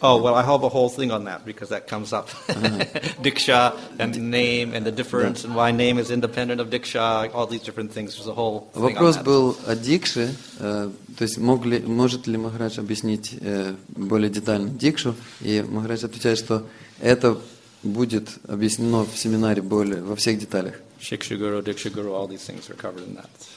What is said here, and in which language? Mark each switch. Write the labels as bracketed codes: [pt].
[en] Oh, well, I have a whole thing on that because that comes up. Diksha and name and the difference and why name is independent of diksha, all these different things. There's a whole thing. [ru] Вопрос [en] on that. [ru] Был о дикше, то есть может ли Махарадж объяснить более детально дикшу? И Махарадж отвечает, что это будет объяснено в семинаре более во всех деталях. [en] Shiksha guru, diksha guru, all these things are covered in that.